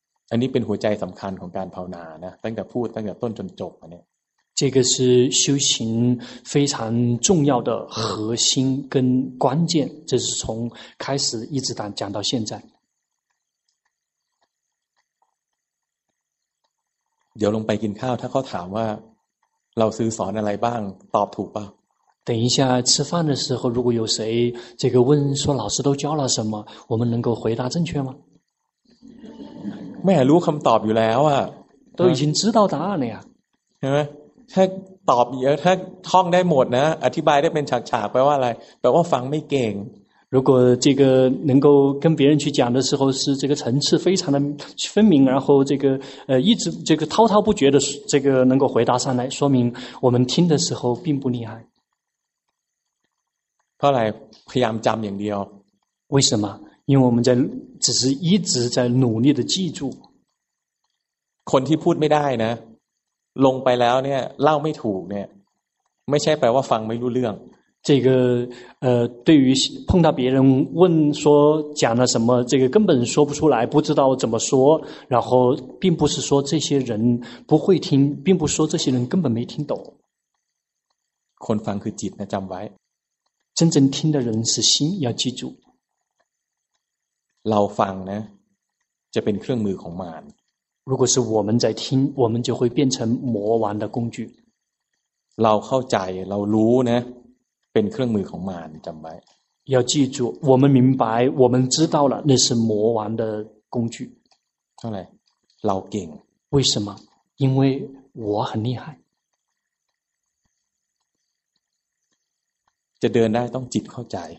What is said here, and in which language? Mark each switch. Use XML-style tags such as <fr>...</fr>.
<th>อันนี้เป็นหัวใจสำคัญของการภาวนานะตั้งแต่พูดตั้งแต่ต้นจนจบอันนี้</th> <zh>这个是修行非常重要的核心跟关键这是从开始一直讲到现在</zh> <th>เดี๋ยวลงไปกินข้าวถ้าเขาถามว่าเราซื้อสอนอะไรบ้างตอบถูกป่ะ</th> <zh>等一下吃饭的时候如果有谁这个问说老师都教了什么我们能够回答正确吗</zh> <th>แม่รู้คำตอบอยู่แล้วอ่ะ</th> <zh>都已经知道答案了呀</zh> <th>ใช่ไหมถ้าตอบเยอะถ้าท่องได้หมดนะอธิบายได้เป็นฉากๆแปลว่าอะไรแปลว่าฟังไม่เก่ง</th> <zh>如果这个能够跟别人去讲的时候是这个层次非常的分明然后这个一直这个滔滔不绝的这个能够回答上来说明我们听的时候并不厉害。</zh> <th>后来พยายามจำอย่างเดียว</th> <zh>为什么因为我们在只是一直在努力的记住。</zh> <th>คนที่พูดไม่ได้นะลงไปแล้วเนี่ยเล่าไม่ถูกเนี่ยไม่ใช่แปลว่าฟังไม่รู้เรื่อง</th> <zh>这个对于碰到别人问说讲了什么这个根本说不出来不知道怎么说然后并不是说这些人不会听并不是说这些人根本没听懂</zh> <th>คนฟังคือจิตนะจำไว้</th> <zh>真正听的人是心要记住</zh> <th>เราฟังนะจะเป็นเครื่องมือของมาร</th> <zh>如果是我们在听我们就会变成魔王的工具</zh> <th>เราเข้าใจเรารู้นะเป็นเครื่องมือของมารจำไว้</th> <zh>要记住我们明白我们知道了那是魔王的工具</zh> <th>ทำไมเราเก่ง</th> <zh>为什么因为我很厉害</zh> <th>จะเดินได้ต้องจิตเข้าใจ</th>